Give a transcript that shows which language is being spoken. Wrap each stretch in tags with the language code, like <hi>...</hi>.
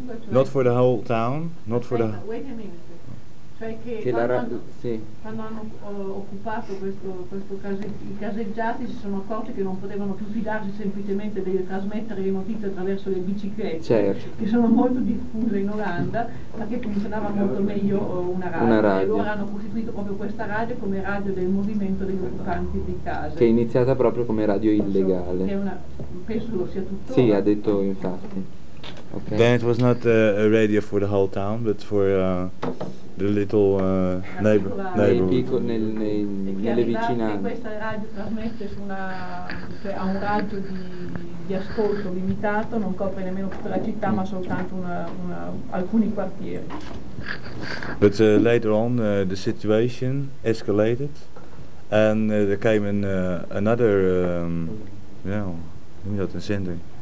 <en>not for the whole town, not for the. Wait a minute.</en> <it>Cioè che quando hanno occupato questo caseggiati si sono accorti che non potevano più fidarsi semplicemente di trasmettere le notizie attraverso le biciclette, certo, che sono molto diffuse in Olanda, ma che funzionava molto meglio una radio. Una radio. E loro hanno costituito proprio questa radio come radio del movimento degli occupanti di case. Che è iniziata proprio come radio illegale. Penso lo sia tutto. Sì, ha detto infatti. Okay.</it> <en>Then it was not a radio for the whole town, but for the little neighborhood.</en> <it>Nelle vicinanze. Questa radio trasmette su ha un raggio di ascolto limitato, non copre nemmeno tutta la città, ma soltanto alcuni quartieri.</it> <en>But later on, the situation escalated, and there came another, you know, sender.</en>